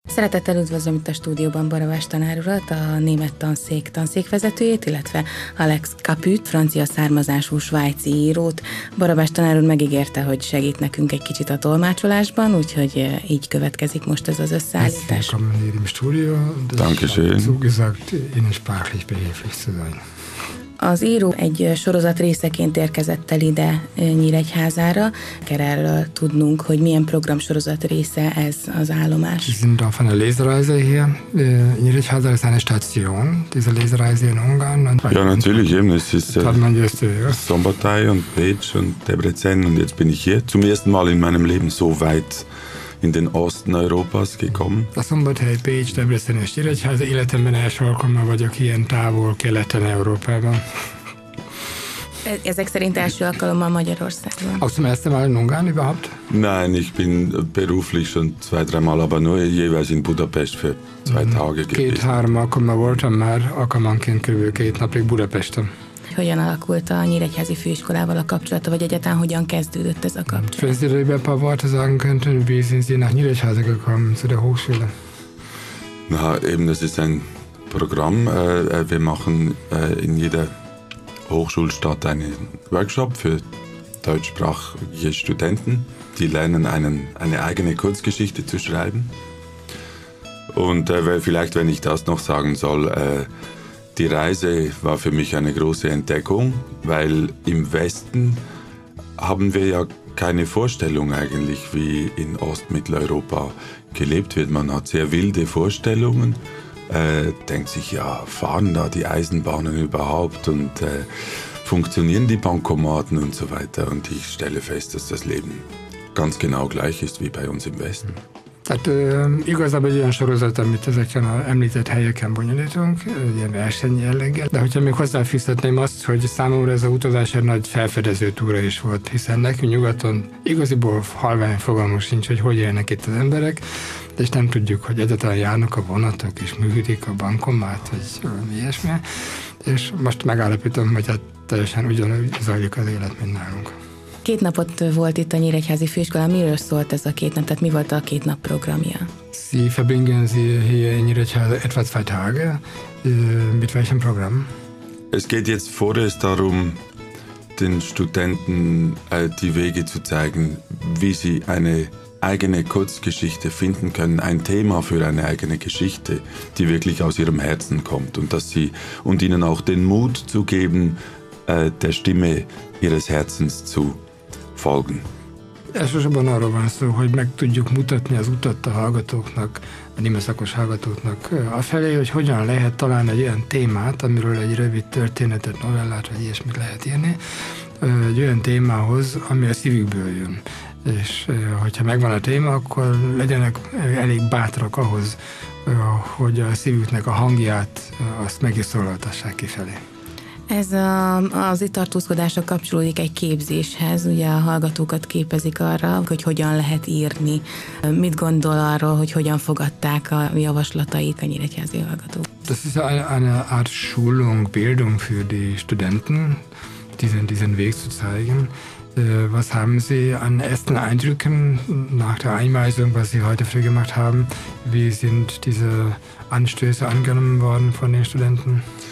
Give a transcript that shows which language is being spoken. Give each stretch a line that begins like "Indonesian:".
Hungarian: Szeretettel üdvözlöm itt a stúdióban Baravás tanárurat, a német tanszék tanszékvezetőjét, illetve Alex Caput, francia származású svájci írót. Baravás tanárul megígérte, hogy segít nekünk egy kicsit a tolmácsolásban, úgyhogy így következik most ez az összeállítás.
German: Ich komme hier im Studio und danke schön. Zugesagt in sprachlich behilflich zu sein.
Hungarian: Az író egy sorozat részeként érkezett el ide Nyíregyházára. Kell erről tudnunk, hogy milyen programsorozat része ez az állomás.
German: Wir sind auf einer Lesereise hier. Nyíregyháza ist eine Station. Diese Lesereise in Ungarn. Ja, natürlich. Es ist Szombathely und Bécs und Debrecen. Und jetzt bin ich hier zum ersten Mal in meinem Leben so weit in den Osten Europas gekommen.
Hungarian: A Szombathely, Bécs, Debrecen és Nyíregyháza, életemben első alkalommal vagyok ilyen távol keleten Európában. Ezek szerint első alkalommal Magyarországon.
German: Auch zum ersten Mal in Ungarn überhaupt? Nein, ich bin beruflich schon zwei, dreimal, aber nur jeweils in Budapest für zwei Tage gewesen.
Hungarian: Két-három alkalommal voltam már, alkalmanként kb. Két napig Budapesten. Hogyan alakult a nyíregyházi főiskolával a kapcsolata, vagy egyáltalán hogyan kezdődött ez a kapcsolat? Felszínre be pár
German: Worte sagen könnten, wie sind Sie nach Nyíregyháza gekommen, zu der Hochschule? Na, eben, das ist ein Programm. Wir machen in jeder Hochschulstadt einen Workshop für deutschsprachige Studenten, die lernen, eine eigene Kurzgeschichte zu schreiben. Und vielleicht, wenn ich das noch sagen soll, die Reise war für mich eine große Entdeckung, weil im Westen haben wir ja keine Vorstellung eigentlich, wie in Ostmitteleuropa gelebt wird. Man hat sehr wilde Vorstellungen, denkt sich, ja, fahren da die Eisenbahnen überhaupt und funktionieren die Bankomaten und so weiter. Und ich stelle fest, dass das Leben ganz genau gleich ist wie bei uns im Westen.
Hungarian: Tehát igazából egy olyan sorozat, amit ezeken a említett helyeken bonyolítunk, ilyen verseny jelleggel. De hogyha még hozzáfűzhetném azt, hogy számomra ez a utazás egy nagy felfedező túra is volt, hiszen nekünk nyugaton igaziból halvány fogalmunk sincs, hogy hogy élnek itt az emberek, és nem tudjuk, hogy egyáltalán járnak a vonatok, és működik a bankomat, vagy valami ilyesmi. És most megállapítom, hogy hát teljesen ugyanúgy zajlik az élet, mint nálunk. Két napot volt itt a nyíregyházi főiskola. Miről szólt ez a két nap? Tehát mi volt a két nap programja?
German: Sie verbringen Sie hier in Nyíregyháza etwa zwei Tage. Mit welchem Programm? Es geht jetzt vorerst darum, den Studenten die Wege zu zeigen, wie sie eine eigene Kurzgeschichte finden können, ein Thema für eine eigene Geschichte, die wirklich aus ihrem Herzen kommt und dass sie und ihnen auch den Mut zu geben, der Stimme ihres Herzens zu folgen.
Hungarian: Elsősorban arról van szó, hogy meg tudjuk mutatni az utat a hallgatóknak, a német szakos hallgatóknak afelé, hogy hogyan lehet találni egy olyan témát, amiről egy rövid történetet, novellát, vagy ilyesmit lehet írni, egy olyan témához, ami a szívükből jön. És hogyha megvan a téma, akkor legyenek elég bátrak ahhoz, hogy a szívüknek a hangját azt meg is szólaltassák kifelé. Ez az itt tartózkodásra kapcsolódik egy képzéshez, ugye a hallgatókat képezik arra, hogy hogyan lehet írni. Mit gondol arról, hogy hogyan fogadták a javaslatait a nyíregyházi hallgatók?
German: Das ist eine Art Schulung, Bildung für die Studenten, diesen Weg zu zeigen. Was haben Sie an ersten Eindrücken nach der Einweisung, was Sie heute früh gemacht haben? Wie sind diese Anstöße angenommen worden von den Studenten?